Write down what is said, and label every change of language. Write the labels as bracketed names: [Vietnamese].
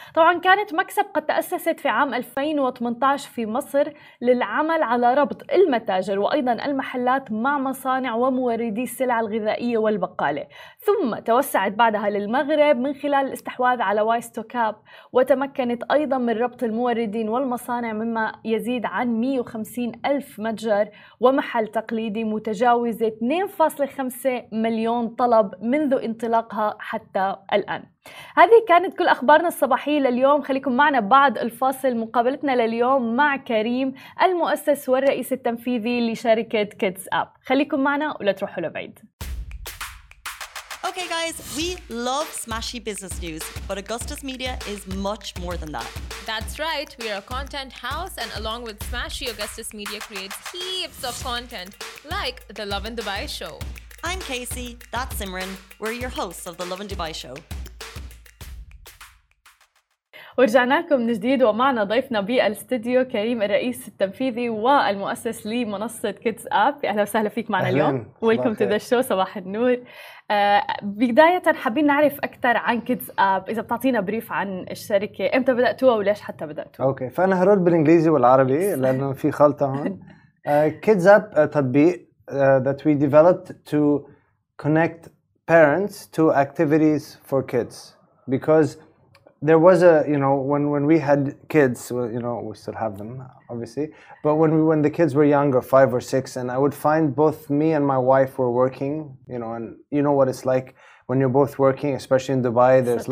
[Arabic] طبعاً كانت مكسب قد تأسست في عام 2018 في مصر للعمل على ربط المتاجر وأيضاً المحلات مع مصانع وموردي السلع الغذائية والبقالة، ثم توسعت بعدها للمغرب من خلال الاستحواذ على وايستوكاب، وتمكنت أيضاً من ربط الموردين والمصانع مما يزيد عن 150 ألف متجر ومحل تقليدي متجاوزة 2.5 مليون طلب منذ انطلاقها حتى الآن. هذه كانت كل أخبارنا الصباحية لليوم، خليكم معنا بعد الفاصل. مقابلتنا لليوم مع كريم المؤسس والرئيس التنفيذي لشركة كيدز أب، خليكم معنا ولا تروحوا لبعيد. [English] Okay guys, we love smashy business news, but Augustus Media is much more than that. That's right, we are a content house, and along with smashy, Augustus Media creates heaps of content like the Love in Dubai show. I'm Casey, that's Simran. We're your hosts of the Love in Dubai show. [Arabic] ورجعنا لكم من جديد ومعنا ضيفنا بالاستديو كريم الرئيس التنفيذي والمؤسس لمنصة كيدز أب. أهلا وسهلا فيك معنا اليوم. [English] welcome to the show, [Arabic] صباح النور. بداية حابين نعرف أكثر عن كيدز أب، إذا بتعطينا بريف عن الشركة، إمتى بدأتوها وليش حتى بدأتوها؟ أوكي، فأنا هرد بالإنجليزي والعربي لأنه في خلطة هون. [English] Kidzapp تطبيق that we developed to connect parents to activities for kids, because there was a, you know, when we had kids, well, you know, we still have them obviously, but when the kids were younger, 5 or 6, and I would find both me and my wife were working, you know, and you know what it's like when you're both working, especially in Dubai, there's